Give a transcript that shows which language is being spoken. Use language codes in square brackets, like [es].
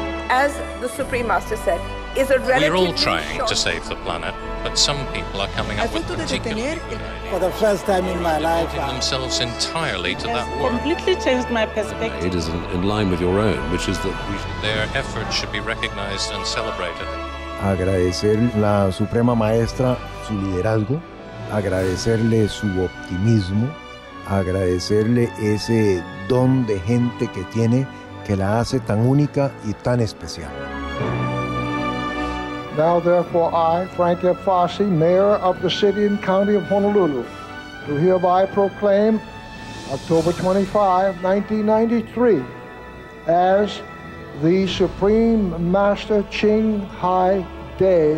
[en] As the Supreme Master said, is a relatively We're all trying to save the planet, but some people are coming up with particularly for the first time in my life, themselves entirely to that work. Completely changed my perspective. It is in line with your own, which is that their efforts should be recognized and celebrated. [es] Agradecer la Suprema Maestra su liderazgo, agradecerle su optimismo, agradecerle ese don de gente que tiene que la hace tan única y tan especial. [en] Now, therefore, I, Frank F. Fossey, Mayor of the City and County of Honolulu, do hereby proclaim October 25, 1993, as the Supreme Master Ching Hai Day.